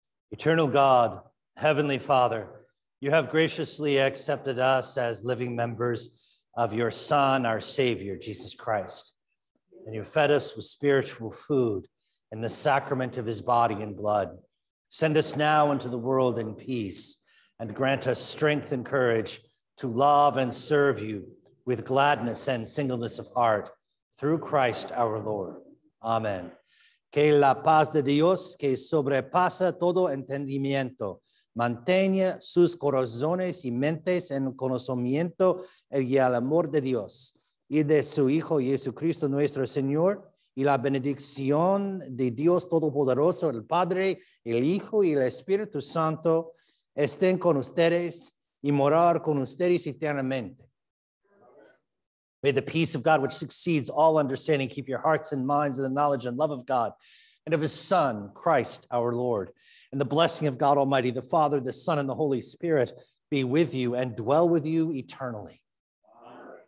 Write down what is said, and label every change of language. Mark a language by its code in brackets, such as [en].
[en] Eternal God, Heavenly Father, you have graciously accepted us as living members of your Son, our Savior, Jesus Christ, and you fed us with spiritual food and the sacrament of his body and blood. Send us now into the world in peace and grant us strength and courage to love and serve you with gladness and singleness of heart through Christ our Lord. Amen. [es] Que la paz de Dios, que sobrepasa todo entendimiento, mantenga sus corazones y mentes en conocimiento y el amor de Dios y de su Hijo Jesucristo nuestro Señor, y la bendición de Dios Todopoderoso, el Padre, el Hijo y el Espíritu Santo estén con ustedes y morar con ustedes eternamente. [en] May the peace of God, which succeeds all understanding, keep your hearts and minds in the knowledge and love of God and of his Son, Christ, our Lord. And the blessing of God Almighty, the Father, the Son, and the Holy Spirit be with you and dwell with you eternally. Amen.